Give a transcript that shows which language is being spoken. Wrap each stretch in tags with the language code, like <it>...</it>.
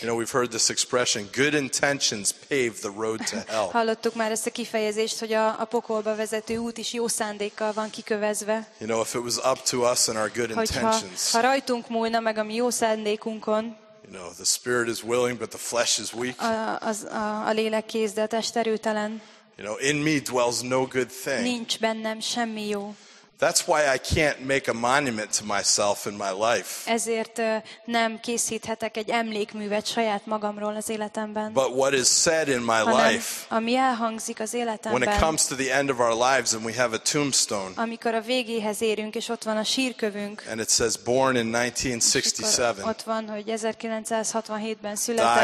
<en>You know, we've heard this expression, good intentions pave the road to hell.</en> <hu>Hallottuk már ezt a kifejezést, hogy a pokolba vezető út is jó szándékkal van kikövezve.</hu> <en>You know, if it was up to us and our good intentions.</en> <hu>Ha rajtunk múlna meg a mi jó szándékunkon.</hu> <en>You know, the spirit is willing but the flesh is weak.</en> <hu>A lélek kész, de a test erőtelen.</hu> <en>You know, in me dwells no good thing.</en> <hu>Nincs bennem semmi jó.</hu> <en>That's why I can't make a monument to myself in my life.</en> <hu>Ezért nem készíthetek egy emlékművet saját magamról az életemben.</hu> <en>But what is said in my life?</en> <hu>Ami elhangzik az életemben.</hu> <en>When it comes to the end of our lives and we have a tombstone.</en> <hu>Amikor a végéhez érünk és ott van a sírkövünk.</hu> <en>And it says born in 1967.</en> <hu>Ott van, hogy 1967-ben született.</hu>